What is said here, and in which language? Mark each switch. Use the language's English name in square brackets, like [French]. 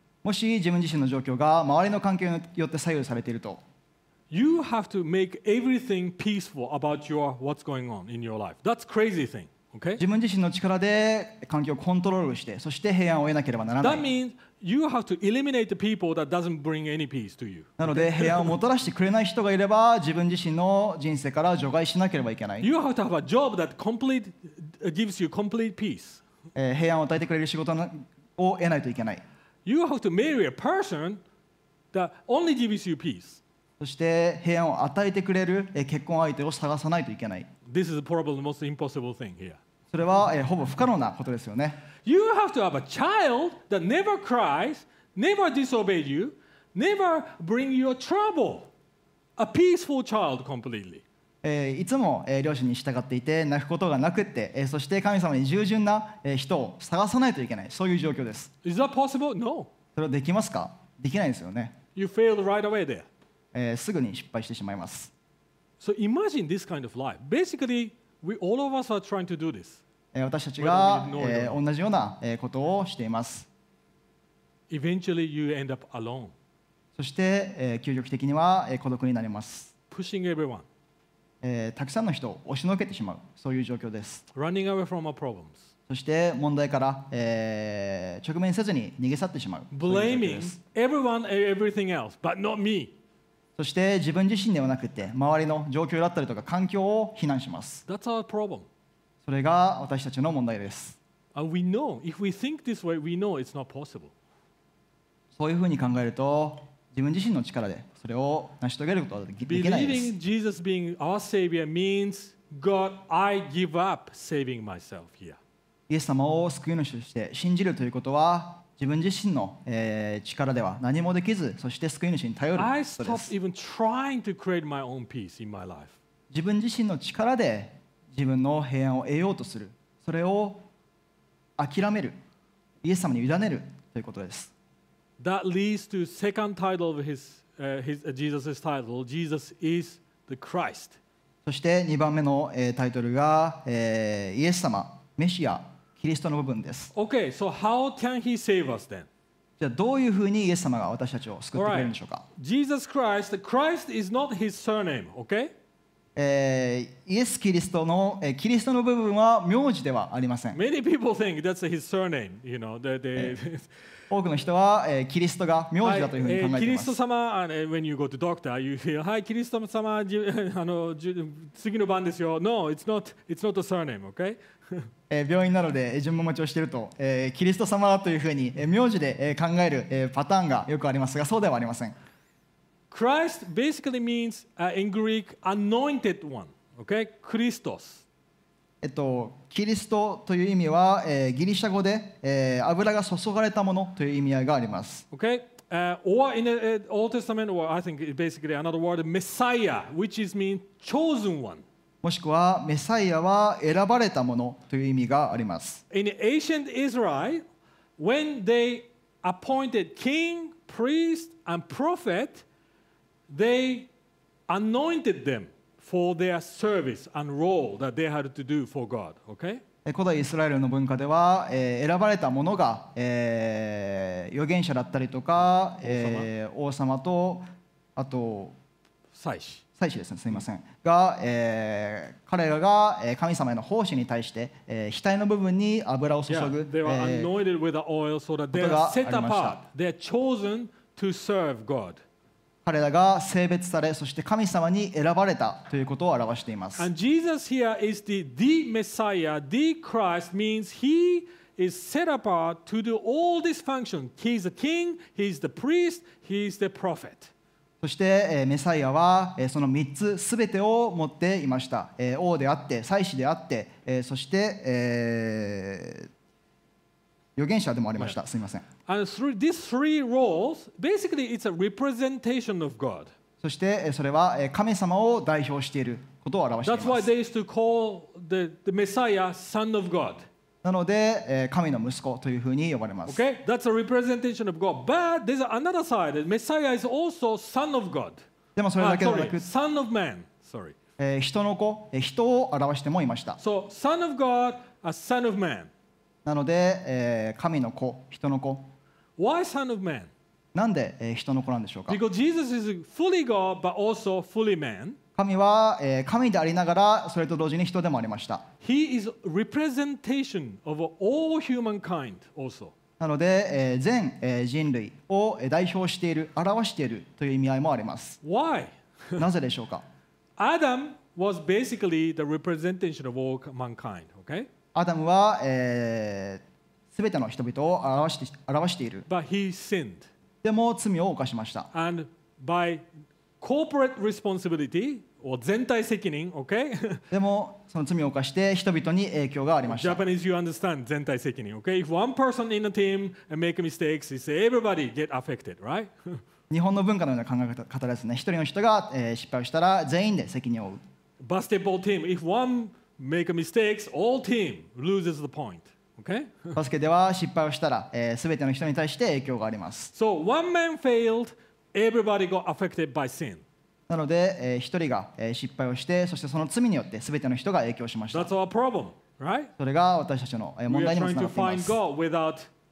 [Japanese] もし自分自身の状況が周りの環境によって左右されていると、 [English] You have to make everything peaceful about your what's going on in your life. That's crazy thing. Okay? [Japanese] 自分自身の力で環境をコントロールして、そして平安を得なければならない。 [English] That means you have to eliminate the people that doesn't bring any peace to you. [Japanese] なので平安をもたらしてくれない人がいれば、自分自身の人生から除外しなければいけない。 [English] You have to have a job that gives you complete peace. [Japanese] 平安を与えてくれる仕事を得ないといけない。 [English] You have to marry a person that only gives you peace. [Japanese] そして平安を与えてくれる結婚相手を探さないといけない。 [English] This is probably the most impossible thing here. [Japanese] それはほぼ不可能なことですよね。 [English] You have to have a child that never cries, never disobeys you, never bring you trouble. A peaceful child completely. [Japanese] いつも両親に従っていて泣くことがなくって、そして神様に従順な人を探さないといけない。そういう状況です。 [English] Is that possible? No. [Japanese] それはできますか？できないですよね。 [English] You failed right away there. [Japanese] すぐに失敗してしまいます。 [English] So imagine this kind of life. Basically, we all of us are trying to do this. [Japanese] 私たちが同じようなことをしています。 [English] Eventually, you end up alone. [Japanese] そして、究極的には孤独になります。 [English] Pushing everyone. [Japanese] たくさんの人を押しのけてしまう、そういう状況です。 [English] Running away from our problems. [Japanese] そして問題から直面せずに逃げ去ってしまう、 [English] Blaming everyone and everything else, but not me. [Japanese] そして自分自身ではなくて周りの状況だったりとか環境を非難します。 [English] That's our problem. [Japanese] それが私たちの問題です。 [English] And we know, if we think this way, we know it's not possible. [Japanese] そういうふうに考えると自分自身の力でそれを成し遂げることはできないです。 [English] Believing Jesus being our Savior means God, I give up saving myself here. [Japanese] イエス様を救い主として信じるということは自分自身の力では何もできず、そして救い主に頼る。 [English] I stopped even trying to create my own peace in my life. [Japanese] 自分自身の力で自分の平安を得ようとする。それを諦める。イエス様に委ねるということです。 [English] That leads to second title of his, his Jesus's title. Jesus is the Christ. [Japanese] そして2番目のタイトルが、イエス様、メシア、キリストの部分です。 [English] Okay, so how can he save us then? [Japanese] じゃあどういうふうにイエス様が私たちを救ってくれるんでしょうか。 [English] Right. Jesus Christ, Christ is not his surname, okay? [Japanese] イエス・キリストの、キリストの部分は名字ではありません。 [English] Many people think that's his surname, you know, that they... [Japanese] 多くの人は、キリストが名字だというふうに考えています。 [English] キリスト様、when you go to doctor, you feel, [Japanese] はい、キリスト様、次の番ですよ。 [English] No, it's not a surname, okay? [Japanese] 病院などで順番待ちをしていると、キリスト様というふうに名字で考えるパターンがよくありますが、そうではありません。 [English] Christ basically means, in Greek, anointed one. Okay, Christos. [Japanese] キリストという意味は、ギリシャ語で、油が注がれたものという意味合いがあります。 [English] Okay, or in the Old Testament, or I think basically another word, Messiah, which is mean chosen one. [Japanese] もしくは、メサイアは選ばれたものという意味があります。 [English] In ancient Israel, when they appointed king, priest, and prophet,They anointed them for their service and role that they had to do for God. Okay? [Japanese] 古代イスラエルの文化では、選ばれた者が、預言者だったりとか、王様とあと祭司ですね。すみません。が、彼らが神様への奉仕に対して、額の部分に油を注ぐ。 [English] Yeah, they were anointed with the oil so that they are set apart. They are chosen to serve God. [Japanese] 彼らが性別され、そして神様に選ばれたということを表しています。 [English] And Jesus here is the Messiah, the Christ means he is set apart to do all this function. He's the king, he's the priest, he's the prophet. [Japanese] そして、メサイアは、その3つ全てを持っていました。王であって、祭司であって、そして、預言者でもありました。すみません。 [English] And through these three roles, basically it's a representation of God. [Japanese] そしてそれは神様を代表していることを表しています。 [English] That's why they used to call the Messiah Son of God. [Japanese] なので神の息子というふうに呼ばれます。 [English] Okay, that's a representation of God. But there's another side. Messiah is also Son of God. [Japanese] でもそれだけではなく、 [English] Son of Man. Sorry. [Japanese] 人の子、人を表してもいました。 [English] So Son of God, a Son of Man. [Japanese] なので、神の子、人の子。 [English] Why son of man? [Japanese] なんで、人の子なんでしょうか。 [English] Because Jesus is fully God but also fully man. [Japanese] 神は、神でありながらそれと同時に人でもありました。 [English] He is representation of all humankind also. [Japanese] なので、全、人類を代表している、表しているという意味合いもあります。 [English] Why? [Japanese] なぜでしょうか。 [English] Adam was basically the representation of all mankind. Okay? [Japanese] アダムは、全ての人々を表している。 [English] But he sinned. [Japanese] でも罪を犯しました。 [English] And by corporate responsibility or 全体責任、okay? [Japanese] でもその罪を犯して人々に影響がありました。 [English] Japanese, you understand 全体責任、okay? If one person in the team make mistakes, it's everybody get affected, right? [Japanese] 日本の文化のような考え方ですね。一人の人が、失敗をしたら全員で責任を負う。 [English] Basketball team, if onemake mistakes, all team loses the point. Okay? [Japanese] バスケでは失敗をしたら、全ての人に対して影響があります。 [English] So one man failed, everybody got affected by sin. [Japanese] なので、一人が、失敗をして、そしてその罪によって全ての人が影響しました。 [English] That's our problem, right? [Japanese] それが私たちの、問題にもつながっています。